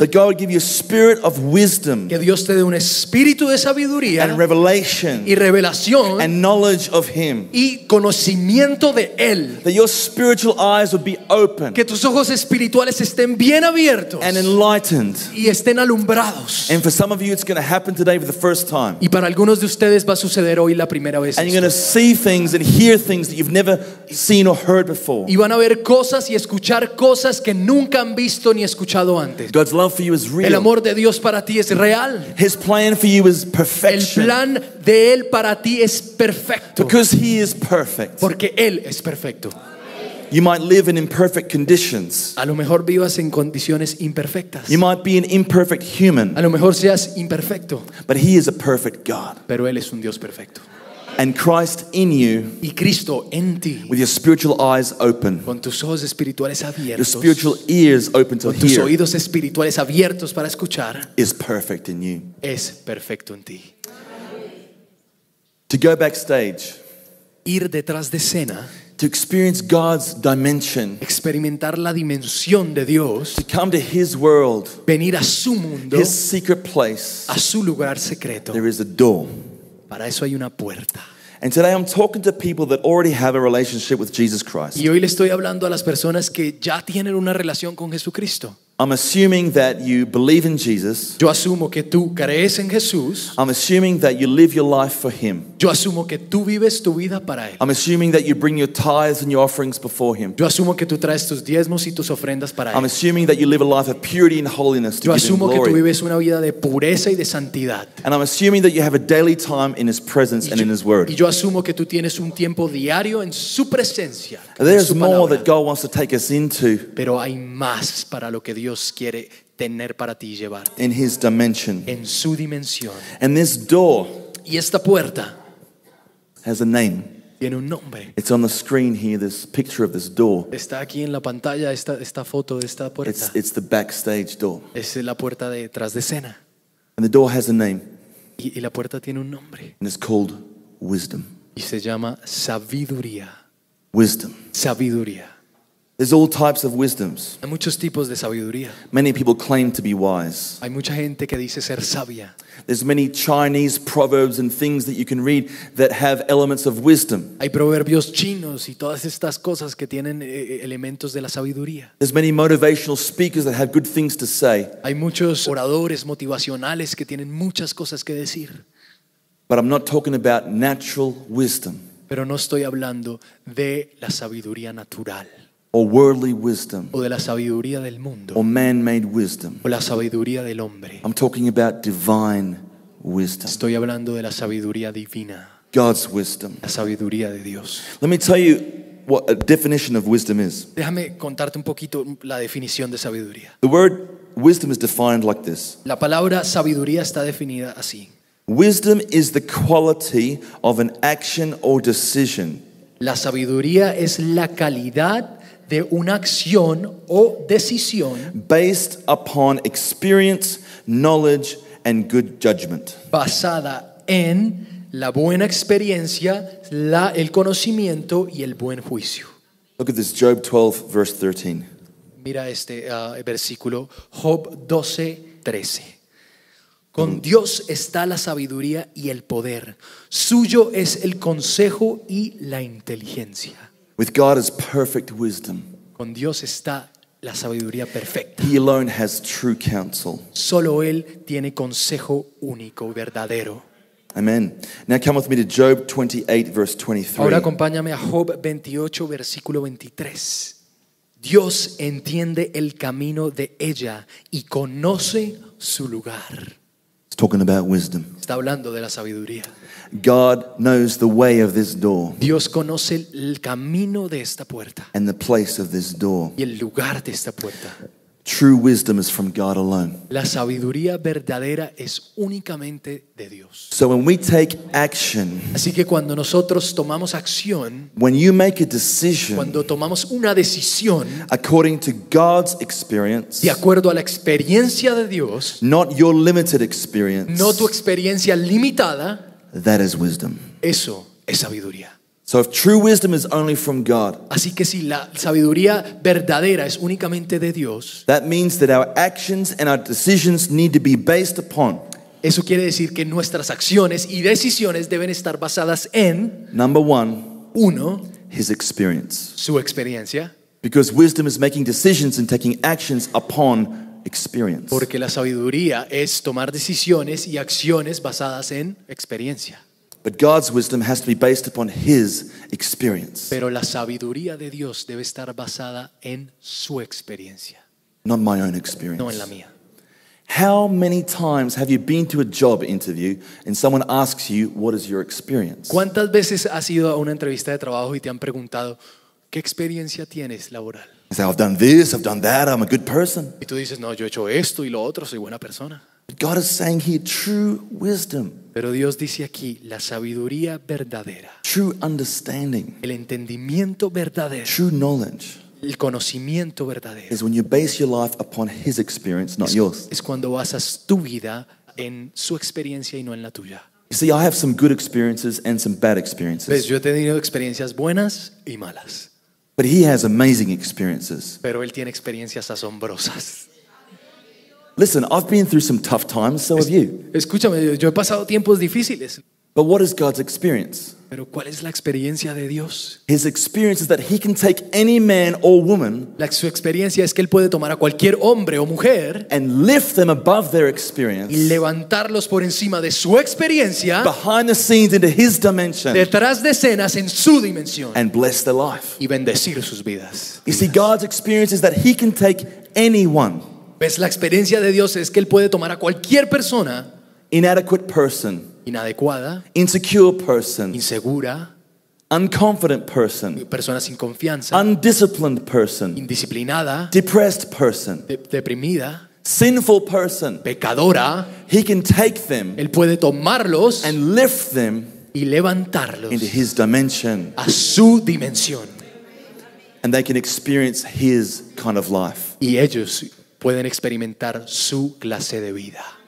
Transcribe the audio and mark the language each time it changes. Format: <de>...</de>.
<en>That God would give you a spirit of wisdom.</en> <es>Que Dios te dé un espíritu de sabiduría.</es> <en>And revelation.</en> <es>Y revelación.</es> <en>And knowledge of Him.</en> <es>Y conocimiento de Él.</es> <en>That your spiritual eyes would be open.</en> <es>Que tus ojos espirituales estén bien abiertos.</es> <en>And enlightened.</en> <es>Y estén alumbrados.</es> <en>And for some of you, it's going to happen today for the first time.</en> <es>Y para algunos de ustedes va a suceder hoy la primera vez.</es> <en>And you're going to see things and hear things that you've never seen or heard before.</en> <es>Y van a ver cosas y escuchar cosas que nunca han visto ni escuchado antes.</es> <en>God's love for you is real.</en> <es>El amor de Dios para ti es real.</es> <en>His plan for you is perfection.</en> <es>El plan de Él para ti es perfecto.</es> <en>Because He is perfect.</en> <es>Porque Él es perfecto.</es> <en>You might live in imperfect conditions.</en> <es>A lo mejor vivas en condiciones imperfectas.</es> <en>You might be an imperfect human.</en> <es>A lo mejor seas imperfecto.</es> <en>But He is a perfect God.</en> <es>Pero Él es un Dios perfecto.</es> <en>And Christ in you,</en> <es>y Cristo en ti,</es> <en>with your spiritual eyes open,</en> <es>con tus ojos espirituales abiertos,</es> <en>your spiritual ears open to</en> <es>con</es> <en>hear,</en> <es>tus oídos espirituales abiertos para escuchar,</es> <en>is perfect in you.</en> <es>Es perfecto en ti.</es> <en>To go backstage,</en> <es>ir detrás de escena,</es> <en>to experience God's dimension,</en> <es>experimentar la dimensión de Dios,</es> <en>to come to His world,</en> <es>venir a su mundo,</es> <en>His secret place,</en> <es>a su lugar secreto,</es> <en>there is a door.</en> <es>Para eso hay una puerta.</es> <en>And today I'm talking to people that already have a relationship with Jesus Christ.</en> <es>Y hoy le estoy hablando a las personas que ya tienen una relación con Jesucristo.</es> <en>I'm assuming that you believe in Jesus.</en> <es>Yo asumo que tú crees en Jesús.</es> <en>I'm assuming that you live your life for Him.</en> <es>Yo asumo que tú vives tu vida para Él.</es> <en>I'm assuming that you bring your tithes and your offerings before Him.</en> <es>Yo asumo que tú traes tus diezmos y tus ofrendas para Él.</es> <en>I'm assuming that you live a life of purity and holiness to give Him glory.</en> <es>Yo asumo que tú vives una vida de pureza y de santidad.</es> <en>And I'm assuming that you have a daily time in His presence and in His Word.</en> <es>Y yo asumo que tú tienes un tiempo diario en su presencia.</es> <en>There's more that God wants to take us into.</en> <es>Pero hay más para lo que Dios quiere tener para ti y llevarte.</es> <en>In His dimension.</en> <es>En su dimensión.</es> <en>And this door.</en> <es>Y esta puerta.</es> <en>Has a name.</en> <es>Tiene un nombre.</es> <en>It's on the screen here, this picture of this door.</en> <es>Está aquí en la pantalla esta foto de esta puerta.</es> <en>It's the backstage door.</en> <es>Es la puerta de tras de escena.</es> <en>And the door has a name.</en> <es>Y la puerta tiene un nombre.</es> <en>And it's called wisdom.</en> <es>Y se llama sabiduría.</es> <en>Wisdom.</en> <es>Sabiduría.</es> <en>There's all types of wisdoms.</en> <es>Hay muchos tipos de sabiduría.</es> <en>Many people claim to be wise.</en> <es>Hay mucha gente que dice ser sabia.</es> <en>There's many Chinese proverbs and things that you can read that have elements of wisdom.</en> <es>Hay proverbios chinos y todas estas cosas que tienen elementos de la sabiduría.</es> <en>There's many motivational speakers that have good things to say.</en> <es>Hay muchos oradores motivacionales que tienen muchas cosas que decir.</es> <en>But I'm not talking about natural wisdom.</en> <es>Pero no estoy hablando de la sabiduría natural.</es> <en>Or worldly wisdom.</en> <es>O de la sabiduría del mundo.</es> <en>Or man-made wisdom.</en> <es>O la sabiduría del hombre.</es> <en>I'm talking about divine wisdom.</en> <es>Estoy hablando de la sabiduría divina.</es> <en>God's wisdom.</en> <es>La sabiduría de Dios.</es> <en>Let me tell you what a definition of wisdom is.</en> <es>Déjame contarte un poquito la definición de sabiduría.</es> <en>The word wisdom is defined like this.</en> <es>La palabra sabiduría está definida así.</es> <en>Wisdom is the quality of an action or decision.</en> <es>La sabiduría es la calidad de una acción o decisión</es> <en>based upon experience, knowledge, and good judgment.</en> <es>Basada en la buena experiencia, el conocimiento y el buen juicio.</es> <en>Look at this, Job 12, verse 13.</en> <es>Mira este versículo, Job 12, 13. Con Dios está la sabiduría y el poder. Suyo es el consejo y la inteligencia.</es> <en>With God is perfect wisdom.</en> <es>Con Dios está la sabiduría perfecta.</es> <en>He alone has true counsel.</en> <es>Solo Él tiene consejo único, verdadero.</es> <en>Amen. Now come with me to Job 28, verse 23.</en> <es>Ahora acompáñame a Job 28, versículo 23. Dios entiende el camino de ella y conoce su lugar.</es> <en>It's talking about wisdom.</en> <es>Está hablando de la sabiduría.</es> <en>God knows the way of this door.</en> <es>Dios conoce el camino de esta puerta.</es> <en>And the place of this door.</en> <es>Y el lugar de esta puerta.</es> <en>True wisdom is from God alone.</en> <es>La sabiduría verdadera es únicamente de Dios.</es> <en>So when we take action,</en> <es>así que cuando nosotros tomamos acción,</es> <en>when you make a decision,</en> <es>cuando tomamos una decisión,</es> <en>according to God's experience,</en> <es>de acuerdo a la experiencia de Dios,</es> <en>not your limited experience,</en> <es>no tu experiencia limitada,</es> <en>that is wisdom.</en> <es>Eso es sabiduría.</es> <en>So if true wisdom is only from God,</en> <es>así que si la sabiduría verdadera es únicamente de Dios,</es> <en>that means that our actions and our decisions need to be based upon.</en> <es>Eso quiere decir que nuestras acciones y decisiones deben estar basadas en,</es> <en>number one,</en> <es>uno,</es> <en>his experience.</en> <es>Su experiencia.</es> <en>Because wisdom is making decisions and taking actions upon experience.</en> <es>Porque la sabiduría es tomar decisiones y acciones basadas en experiencia.</es> <en>But God's wisdom has to be based upon his experience.</en> <es>Pero la sabiduría de Dios debe estar basada en su experiencia.</es> <en>Not my own experience.</en> <es>No en la mía.</es> <en>How many times have you been to a job interview and someone asks you, what is your experience?</en> <es>¿Cuántas veces has ido a una entrevista de trabajo y te han preguntado, ¿qué experiencia tienes laboral?</es> <en>You say, I've done this, I've done that, I'm a good person.</en> <es>Y tú dices, no, yo he hecho esto y lo otro, soy buena persona.</es> <en>But God is saying here, true wisdom.</en> <es>Pero Dios dice aquí, la sabiduría verdadera.</es> <en>True understanding.</en> <es>El entendimiento verdadero.</es> <en>True knowledge.</en> <es>El conocimiento verdadero.</es> <en>Is when you base your life upon his experience, not yours.</en> <es>Es cuando basas tu vida en su experiencia y no en la tuya.</es> <en>You see, I have some good experiences and some bad experiences.</en> <es>Pues yo he tenido experiencias buenas y malas.</es> <en>But he has amazing experiences.</en> <es>Pero él tiene experiencias asombrosas.</es> <en>Listen, I've been through some tough times, so have you.</en> <es>Escúchame, yo he pasado tiempos difíciles.</es> <en>But what is God's experience?</en> <es>Pero ¿cuál es la experiencia de Dios?</es> <en>His experience is that he can take any man or woman,</en> <es>su experiencia es que él puede tomar a cualquier hombre o mujer,</es> <en>and lift them above their experience,</en> <es>y levantarlos por encima de su experiencia,</es> <en>behind the scenes into his dimension,</en> <es>detrás de escenas en su dimensión,</es> <en>and bless their life,</en> <es>y bendecir sus vidas.</es> <en>You see, God's experience is that he can take anyone.</en> <es>Pues la experiencia de Dios es que él puede tomar a cualquier persona,</es> <en>inadequate person,</en> <es>inadecuada,</es> <en>insecure person,</en> <es>insegura,</es> <en>unconfident person,</en> <es>persona sin confianza,</es> <en>undisciplined person,</en> <es>indisciplinada,</es> <en>depressed person,</en> <es>deprimida,</es> <en>sinful person,</en> <es>pecadora.</es> <en>He can take them,</en> <es>él puede tomarlos,</es> <en>and lift them,</en> <es>y levantarlos,</es> <en>into his dimension,</en> <es>a su dimensión,</es> <en>and they can experience his kind of life,</en> <es>y ellos pueden experimentar su clase de vida.</es>